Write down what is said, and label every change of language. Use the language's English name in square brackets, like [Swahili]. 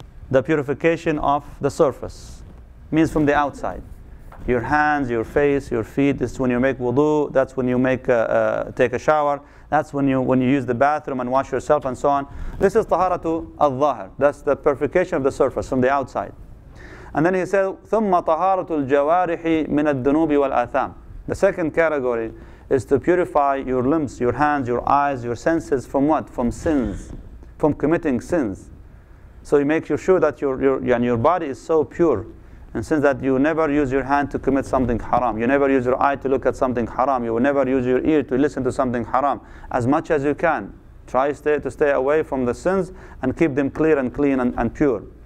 [English] The purification of the surface. Means from the outside. Your hands, your face, your feet, this is when you make wudu, that's when you take a shower, that's when you use the bathroom and wash yourself and so on. This is taharatu al-zahir. That's the purification of the surface from the outside. And then he said, [Arabic] ثُمَّ طَهَارَةُ الْجَوَارِحِ مِنَ الدُّنُوبِ وَالْآثَامِ. [English] The second category is to purify your limbs, your hands, your eyes, your senses from what? From sins, from committing sins. So you make sure that your body is so pure. And since that you never use your hand to commit something haram, you never use your eye to look at something haram, you will never use your ear to listen to something haram, as much as you can, try to stay away from the sins and keep them clear and clean and pure.